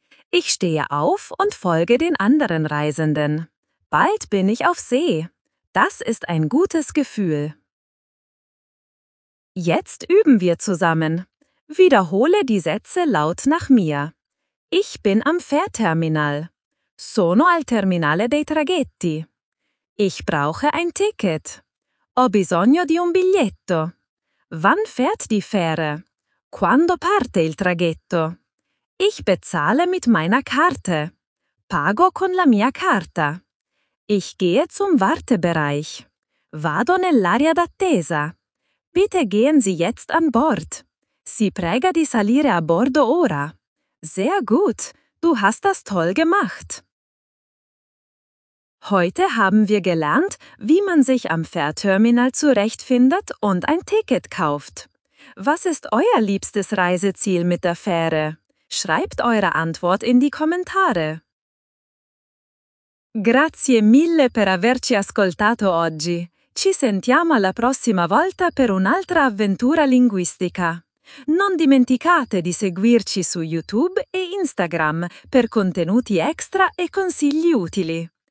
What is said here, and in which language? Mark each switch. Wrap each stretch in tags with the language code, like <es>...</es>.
<de>Ich stehe auf und folge den anderen Reisenden. Bald bin ich auf See. Das ist ein gutes Gefühl. Jetzt üben wir zusammen. Wiederhole die Sätze laut nach mir. Ich bin am Fährterminal.</de> <it>Sono al terminale dei traghetti.</it> <de>Ich brauche ein Ticket.</de> <it>Ho bisogno di un biglietto.</it> <de>Wann fährt die Fähre?</de> <it>Quando parte il traghetto?</it> <de>Ich bezahle mit meiner Karte.</de> <it>Pago con la mia carta.</it> <de>Ich gehe zum Wartebereich.</de> <it>Vado nell'area d'attesa.</it> <de>Bitte gehen Sie jetzt an Bord.</de> <it>Si prega di salire a bordo ora.</it> <de>Sehr gut, du hast das toll gemacht. Heute haben wir gelernt, wie man sich am Fährterminal zurechtfindet und ein Ticket kauft. Was ist euer liebstes Reiseziel mit der Fähre? Schreibt eure Antwort in die Kommentare.</de> <it>Grazie mille per averci ascoltato oggi. Ci sentiamo alla prossima volta per un'altra avventura linguistica. Non dimenticate di seguirci su YouTube e Instagram per contenuti extra e consigli utili.</it>